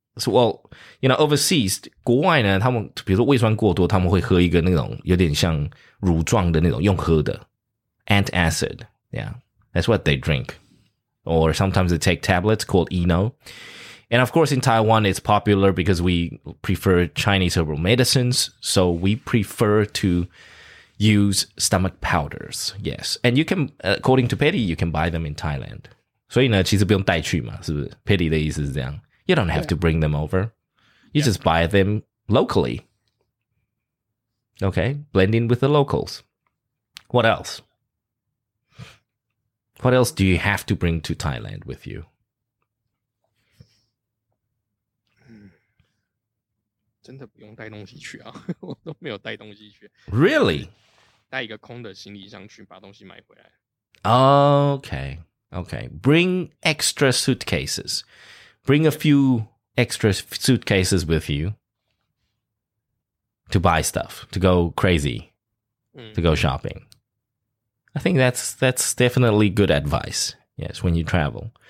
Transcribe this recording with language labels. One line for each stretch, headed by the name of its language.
English: So, well, you know, overseas,
Chinese: 国外呢，他们比如说胃酸过多，他们会喝一个那种有点像乳状的那种用喝的 antacid,
English: yeah, that's what they drink. Or sometimes they take tablets called Eno. And of course, in Taiwan, it's popular because we prefer Chinese herbal medicines, so we prefer to use stomach powders, yes. And you can, according to Petty, you can buy them in Thailand.
Chinese: 所以呢，其实不用带去嘛，是不是？Petty 的意思是这样。
English: You don't have to bring them over. You just buy them locally. Okay, blend in with the locals. What else? What else do you have to bring to Thailand with you?
Chinese: 真的不用带东西去啊，我都没有带东西去。
English: Really?
Chinese: 带一个空的行李箱去，把东西买回来。
English: Okay, okay. Bring extra suitcases. Bring a few extra suitcases with you to buy stuff, to go crazy, to go shopping. I think that's definitely good advice, yes, when you travel.